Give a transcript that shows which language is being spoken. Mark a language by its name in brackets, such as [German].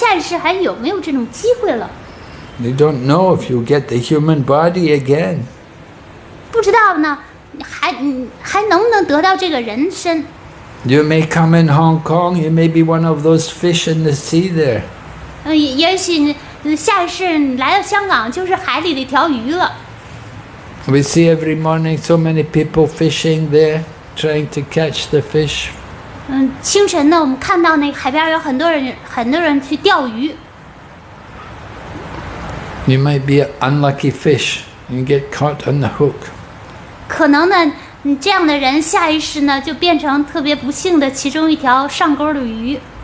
[Chinese] 问题就在于我们不知道下一世一个人会去哪里，他下一世还有没有这种机会了。 [English] You don't know if you get the human body again. [Chinese] 不知道呢，还能不能得到这个人身。 [English] You may come in Hong Kong, you may be one of those fish in the sea there. [Chinese] 也许下一世来到香港就是海里的一条鱼了。 [English] We see every morning so many people fishing there, trying to catch the fish. [Chinese] 清晨呢，我们看到那海边有很多人去钓鱼。 [English] You might be an unlucky fish, you get caught on the hook. [Chinese] 可能呢， 你这样的人下一世呢，就变成特别不幸的其中一条上钩的鱼。